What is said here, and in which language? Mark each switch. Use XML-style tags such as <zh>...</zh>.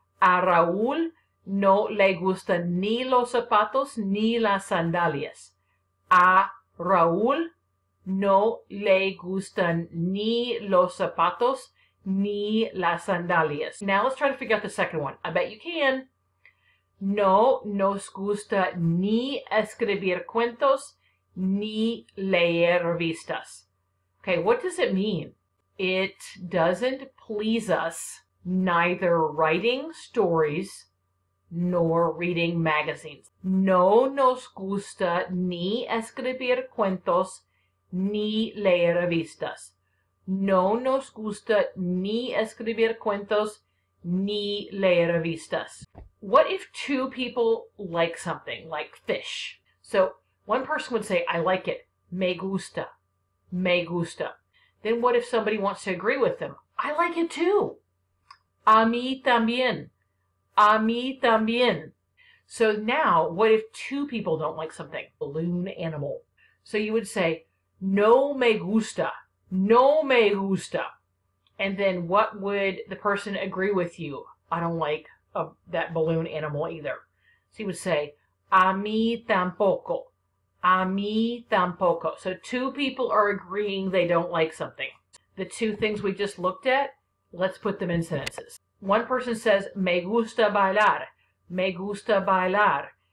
<es>A Raúl no le gusta ni los zapatos ni las sandalias. A Raúl no le gustan ni los zapatos ni las sandalias.</es> <en>Now let's try to figure out the second one. I bet you can.</en> <es>No nos gusta ni escribir cuentos ni leer revistas.</es> <en>Okay, what does it mean? It doesn't please us neither writing stories nor reading magazines.</en> <es>No nos gusta ni escribir cuentos ni leer revistas. No nos gusta ni escribir cuentos ni leer revistas.</es> <en>What if two people like something, like fish? So one person would say, I like it.</en> <es>Me gusta. Me gusta.</es> <en>Then what if somebody wants to agree with them? I like it too.</en> <es>A mí también. A mí también.</es> <en>So now, what if two people don't like something? Balloon animal. So you would say,</en> <es>no me gusta. No me gusta.</es> <en>And then what would the person agree with you? I don't like that balloon animal either. So you would say,</en> <es>a mí tampoco. A mí tampoco.</es> <en>So two people are agreeing they don't like something. The two things we just looked at, let's put them in sentences. One person says,</en> <es>me gusta bailar, me gusta bailar.</es>